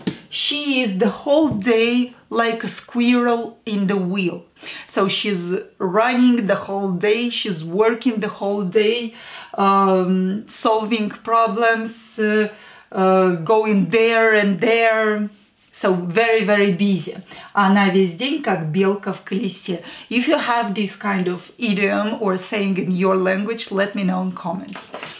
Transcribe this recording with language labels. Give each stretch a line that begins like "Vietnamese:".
English: She is the whole day like a squirrel in the wheel. So she's running the whole day, she's working the whole day, solving problems, going there and there. So very, very busy.
Russian: Она весь день как белка в колесе.
English: If you have this kind of idiom or saying in your language, let me know in comments.